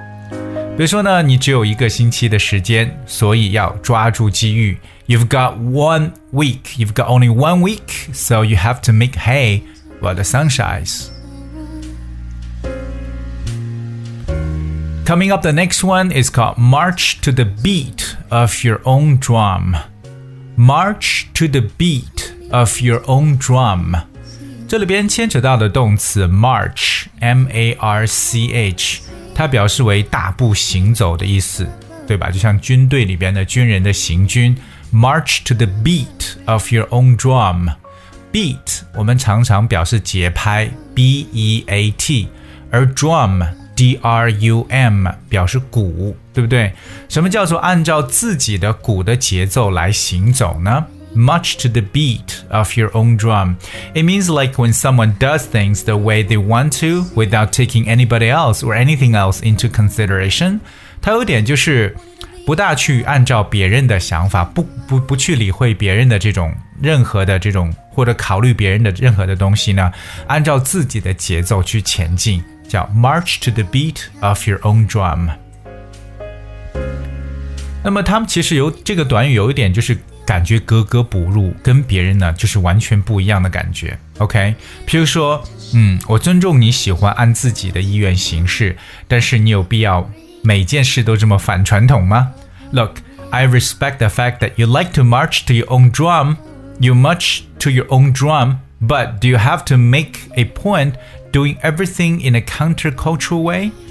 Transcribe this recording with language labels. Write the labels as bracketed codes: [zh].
[zh] 比如说呢，你只有一个星期的时间，所以要抓住机遇。 [en] You've got one week. You've got only one week, so you have to make hay while the sun shines. Coming up, the next one is called March to the Beat of Your Own Drum. March to the Beat of Your Own Drum. [zh] 这里边牵扯到的动词 March, M-A-R-C-H, 它表示为大步行走的意思，对吧？就像军队里边的军人的行军。 [en] March to the Beat of Your Own Drum. [zh] Beat, 我们常常表示节拍 B-E-A-T, 而 drum,D-R-U-M 表示鼓，对不对？什么叫做按照自己的鼓的节奏来行走呢？ [en] March to the beat of your own drum. It means like when someone does things the way they want to without taking anybody else or anything else into consideration. [zh] 它有点就是不大去按照别人的想法， 不去理会别人的这种任何的这种或者考虑别人的任何的东西呢，按照自己的节奏去前进，叫 [en] March to the beat of your own drum。 [zh] 那么他们其实有这个短语有一点就是感觉格格不入，跟别人呢就是完全不一样的感觉。 OK， 譬如说我尊重你喜欢按自己的意愿行事，但是你有必要每件事都这么反传统吗？ [en] Look, I respect the fact that you like to march to your own drum. You march to your own drum, but do you have to make a pointDoing everything in a countercultural way?